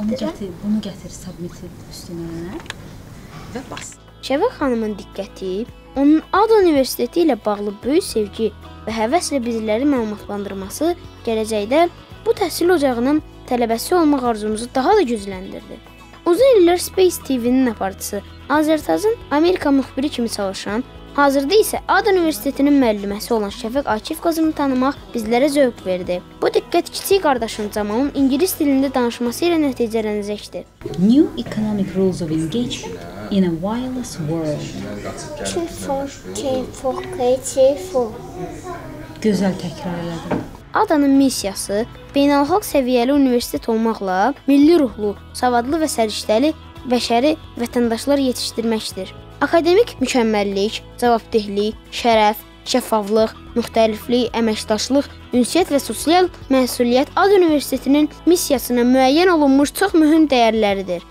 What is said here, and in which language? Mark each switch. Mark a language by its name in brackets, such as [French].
[Turkish] Onu getir, bunu getir, [English] submit it [Turkish] üstüne ve bas. [Azerbaijani] Şəva xanımın diqqəti onun ad universiteti ilə bağlı böyük sevgi və həvəslə bizləri məlumatlandırması gələcəkdə bu təhsil ocağının tələbəsi olmaq arzumuzu daha da gücləndirdi. Uzun illər Space TV-nin aparıcısı, Azərtazın Amerika müxbiri kimi çalışan, hazırda isə Ad Universitetinin müəlliməsi olan Şəfəq Akif qızını tanımaq bizlərə zövq verdi. Bu diqqət kiçik qardaşın Cəmalın ingilis dilində danışması ilə nəticələnəcəkdir. [English] New economic rules of engagement in a wireless world. [Azerbaijani] Gözəl təkrar elədim. Adanın missiyası beynəlxalq səviyyəli universitet olmaqla milli ruhlu, savadlı və səriştəli bəşəri vətəndaşlar yetişdirməkdir. Akademik mükəmməllik, cavabdehlik, şərəf, şəffaflıq, müxtəliflik, əməkdaşlıq, ünsiyyət və sosial məsuliyyət Ad Universitetinin missiyasına müəyyən olunmuş çox mühüm dəyərləridir.